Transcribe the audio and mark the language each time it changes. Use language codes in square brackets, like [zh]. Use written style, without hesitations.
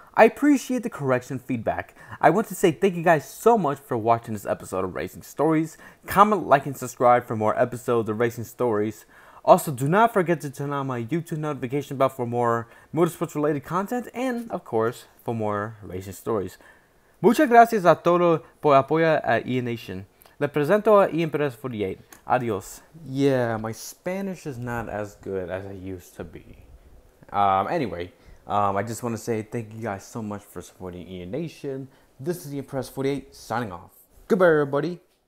[en] I appreciate the correction feedback. I want to say thank you guys so much for watching this episode of Racing Stories. Comment, like, and subscribe for more episodes of Racing Stories. Also, do not forget to turn on my YouTube notification bell for more motorsports related content and, of course, for more racing stories. [es] Muchas gracias a todos por apoyar a Ian Nation. Le presento a Ian Perez 48. Adios. [en] Yeah, my Spanish is not as good as it used to be. I just want to say thank you guys so much for supporting Ian Nation. This is Ian Perez 48 signing off. Goodbye, everybody.